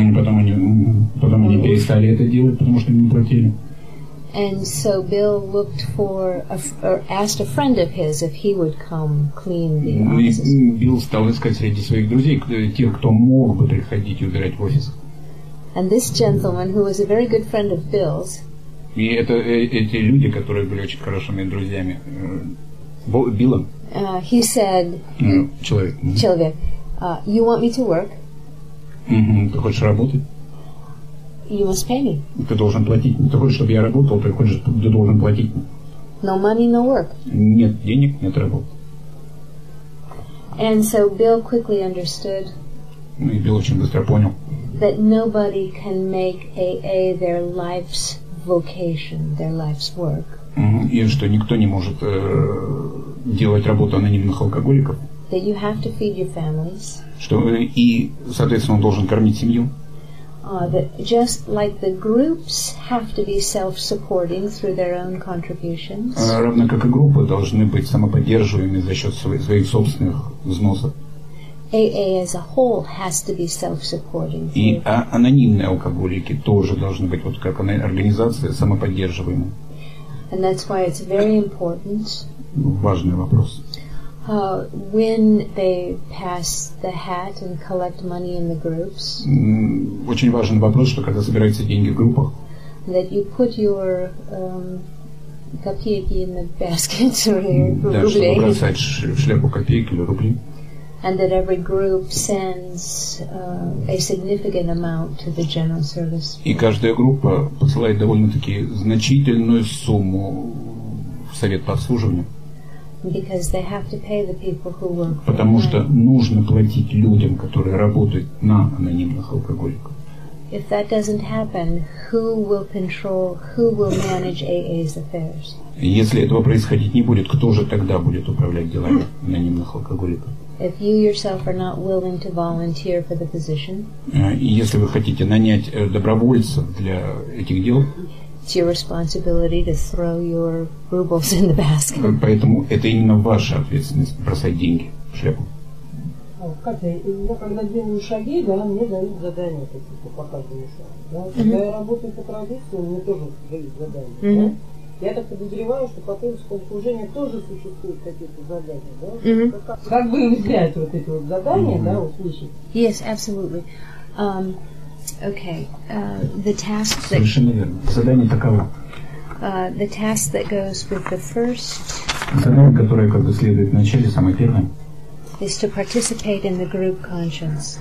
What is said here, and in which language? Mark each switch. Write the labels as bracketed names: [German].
[Russian] Потом они перестали это делать, потому что им не платили. [English] And so Bill looked for asked a friend of his if he would come clean the offices. [Russian] Билл стал искать среди своих друзей тех, кто мог бы приходить и убирать офис. [English] And this gentleman, who was a very good friend of Bill's. [Russian] И это эти люди, которые были очень хорошими друзьями Билла. [English] He said. [Russian] Человек. Человек. [English] You want me to work? [Russian] Mm-hmm. Ты хочешь работать? [English] You must pay me. [Russian] Ты должен платить. Ты хочешь, чтобы я работал, ты должен платить мне. [English] No money, no work. [Russian] Нет денег, нет работы. [English] And so Bill quickly understood. [Russian] Ну, и Билл очень быстро понял. [English] That nobody can make AA their life's vocation, their life's work. [Russian] И что никто не может делать работу анонимных алкоголиков. [English] That you have to feed your families. [Russian] Что и, соответственно, он должен кормить семью. [English] That just like the groups have to be self-supporting through their own contributions. [Russian] Равно как и группы должны быть самоподдерживаемыми за счет своих собственных взносов. [English] AA as a whole has to be self-supporting. [Russian] И анонимные алкоголики тоже должны быть вот как организация самоподдерживаемы. [English] And that's why it's very important. [Russian] Важный вопрос. [English] When they pass the hat and collect money in the groups. [Russian] Очень важен вопрос, что когда собираются деньги в группах. [English] That you put your копейки in the basket or your [Russian] рубли. Да, чтобы бросать в шляпу копейки или рубли. [English] And that every group sends a significant amount to the general service. [Russian] И каждая группа посылает довольно-таки значительную сумму в совет по обслуживанию. [English] Because they have to pay the people who work. [Russian] Потому что нужно платить людям, которые работают на анонимных алкоголиках. [English] If that doesn't happen, who will control, who will manage AA's affairs? [Russian] Если этого происходить не будет, кто же тогда будет управлять делами анонимных алкоголиков? [English] If you yourself are not willing to volunteer for the position. [Russian] Если вы хотите нанять добровольцев для этих дел. [English] It's your responsibility to throw your rubles in the basket. [Russian] Поэтому это именно ваша ответственность бросать деньги в шляпу. Катя, я когда делаю шаги, да, мне дают задания какие-то по каждому шагу. Да? Когда я работаю по традиции, мне тоже дают задания. Да? Я так подозреваю, что по принципу служения тоже существуют какие-то задания. Да? Как бы взять вот эти вот задания, да, услышать? [English] Yes, absolutely. Okay, the task. [Russian] Совершенно верно. Задание таково. [English] The task that goes with the first. [Russian] Задание, которое как бы следует в начале, самое первое. [English] Is to participate in the group conscience.